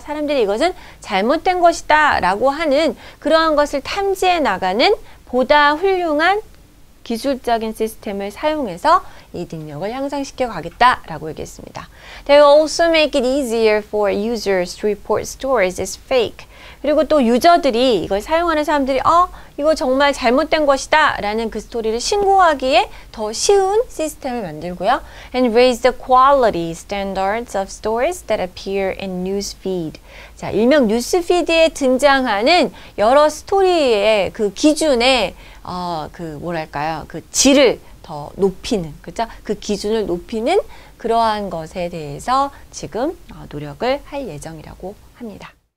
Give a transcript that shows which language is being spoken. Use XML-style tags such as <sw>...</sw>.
<ko>사람들이 이것은 잘못된 것이다 라고 하는 그러한 것을 탐지해 나가는 보다 훌륭한 기술적인 시스템을 사용해서 이 능력을 향상시켜 가겠다 라고 얘기했습니다.</ko> <en>They will also make it easier for users to report stories as fake.</en> <ko>그리고 또 유저들이 이걸 사용하는 사람들이 이거 정말 잘못된 것이다 라는 그 스토리를 신고하기에 더 쉬운 시스템을 만들고요.</ko> <en>And raise the quality standards of stories that appear in news feed.</en> <ko>자, 일명 뉴스 피드에 등장하는 여러 스토리의 그 기준에 그 뭐랄까요? 그 질을 더 높이는, 그죠? 그 기준을 높이는 그러한 것에 대해서 지금 노력을 할 예정이라고 합니다.</ko>